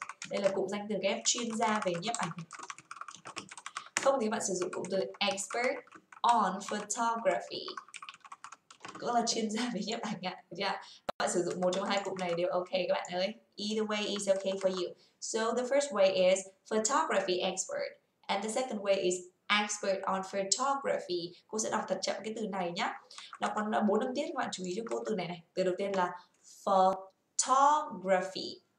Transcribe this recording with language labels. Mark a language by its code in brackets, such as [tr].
[vi] Đây là cụm danh từ ghép chuyên gia về nhiếp ảnh. Không thì bạn sử dụng cụm từ expert on photography. Cũng là chuyên gia về nhiếp ảnh ạ, được chưa ạ? Bạn sử dụng một trong hai cụm này đều ok các bạn ơi. [en] Either way is okay for you. So the first way is photography expert. And the second way is expert on photography. [vi] Cô sẽ đọc thật chậm cái từ này nhá. Đọc còn 4 âm tiết các bạn chú ý cho cô từ này này. Từ đầu tiên là photography.